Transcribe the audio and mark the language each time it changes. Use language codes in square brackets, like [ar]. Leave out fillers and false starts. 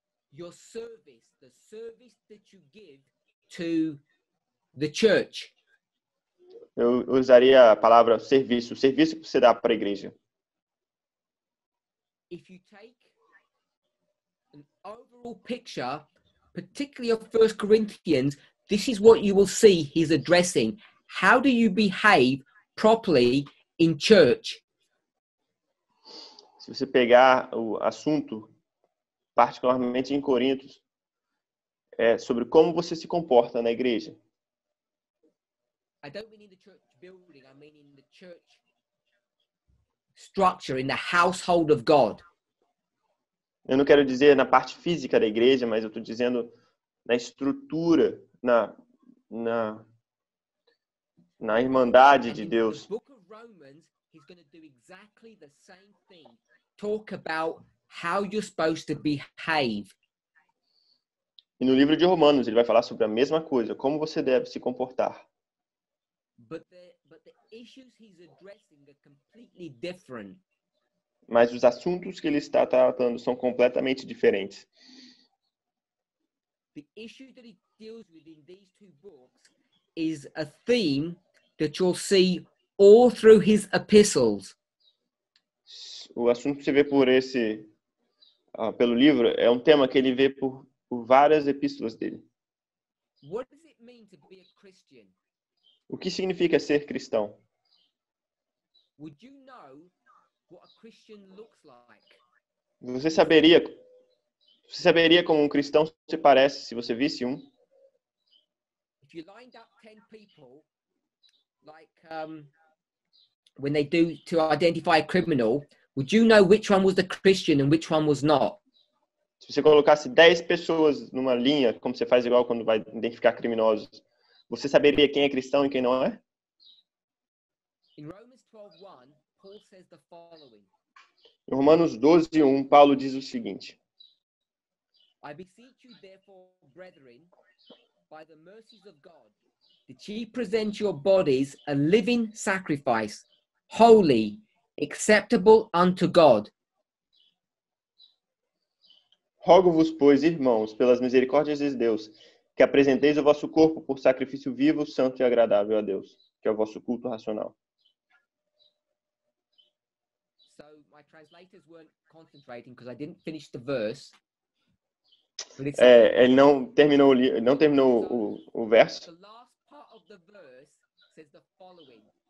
[en] Your service, the service that you give to the church. [pt] Eu usaria a palavra serviço, o serviço que você dá para a igreja. [en] If you take an overall picture, particularly of 1 Corinthians, this is what you will see he's addressing. How do you behave properly in church? [pt] Se você pegar o assunto, particularmente em Corinto, é sobre como você se comporta na igreja. [en] I don't mean in the church building, I mean in the church structure, in the household of God. [pt] Eu não quero dizer na parte física da igreja, mas eu estou dizendo na estrutura, na irmandade de Deus. [en] The book of Romans, he's going to do exactly the same thing. Talk about how you're supposed to behave. [pt] E no livro de Romanos, ele vai falar sobre a mesma coisa, como você deve se comportar. [en] But the issues he's addressing are completely different. [pt] Mas os assuntos que ele está tratando são completamente diferentes. [en] The issue that he deals with in these two books is a theme that you'll see all through his epistles. [pt] O assunto que você vê por esse pelo livro é um tema que ele vê por várias epístolas dele. [en] What does it mean to be a Christian? [pt] O que significa ser cristão? [en] Would you know what a Christian looks like? [pt] Você saberia como um cristão se parece se você visse um? [en] If you lined up 10 people, like when they do to identify a criminal, would you know which one was the Christian and which one was not? [pt] Se você colocasse 10 pessoas numa linha, como você faz igual quando vai identificar criminosos, você saberia quem é cristão e quem não é? [en] In Romans 12:1, Paul says the following. [pt] Em Romanos 12:1, Paulo diz o seguinte. [en] I beseech you therefore, brethren, by the mercies of God, that ye present your bodies a living sacrifice, holy, acceptable unto God. [pt] Rogo-vos, pois, irmãos, pelas misericórdias de Deus, que apresenteis o vosso corpo por sacrifício vivo, santo e agradável a Deus, que é o vosso culto racional. [en] So, my translators weren't concentrating because I didn't finish the verse. [pt] Ele não terminou o verso. [en] The last part of the verse says the following.